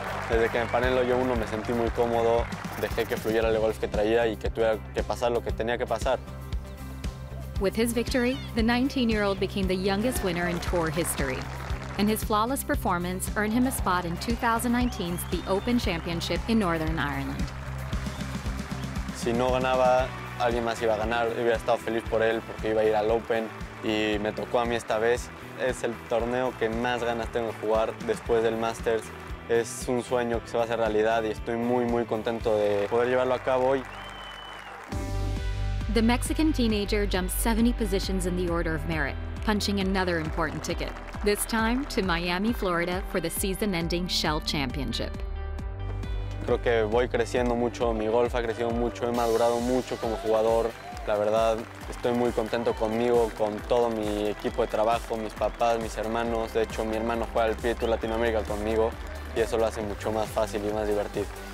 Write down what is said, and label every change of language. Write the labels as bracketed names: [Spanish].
[Spanish] Desde que me paré en el hoyo uno me sentí muy cómodo. Dejé que fluyera el golf que traía y que tuviera que pasar lo que tenía que pasar. [English] With his victory, the 19-year-old became the youngest winner in tour history. And his flawless performance earned him a spot in 2019's The Open Championship in Northern Ireland. [Spanish] Si no ganaba, alguien más iba a ganar. Yo hubiera estado feliz por él porque iba a ir al Open y me tocó a mí esta vez. Es el torneo que más ganas tengo de jugar después del Masters. Es un sueño que se va a hacer realidad y estoy muy, muy contento de poder llevarlo a cabo hoy. [English] The Mexican teenager jumped 70 positions in the order of merit, punching another important ticket, this time to Miami, Florida for the season-ending Shell Championship. [Spanish] Creo que voy creciendo mucho, mi golf ha crecido mucho, he madurado mucho como jugador. La verdad, estoy muy contento conmigo, con todo mi equipo de trabajo, mis papás, mis hermanos. De hecho, mi hermano juega al PGA Tour Latinoamérica conmigo y eso lo hace mucho más fácil y más divertido.